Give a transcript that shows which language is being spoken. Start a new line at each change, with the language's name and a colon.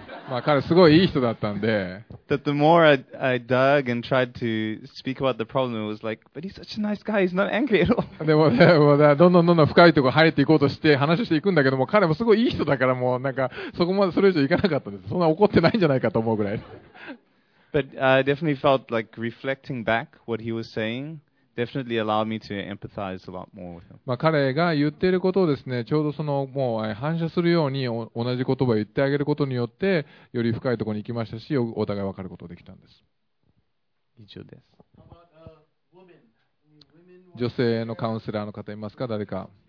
Japanese: まあ彼すごいいい人だったんで。
English: That the more I dug and tried to speak about the problem, it was like, but he's such a nice guy, he's not angry at all.
Japanese: でも、ね、もうどんどんどんどん深いところ入っていこうとして話していくんだけども、彼もすごいいい人だからもうなんかそこまでそれ以上いかなかったんです。そんな怒ってないんじゃないかと思うぐらい。
English: But I definitely felt like reflecting back what he was saying. Definitely allowed me to empathize a lot more with him.
Japanese: まあ彼が言っていることをですね、ちょうどそのもう反射するように同じ言葉を言ってあげることによってより深いところに行きましたし、お互い分かることができたんです。以上です。女性のカウンセラーの方いますか、誰か。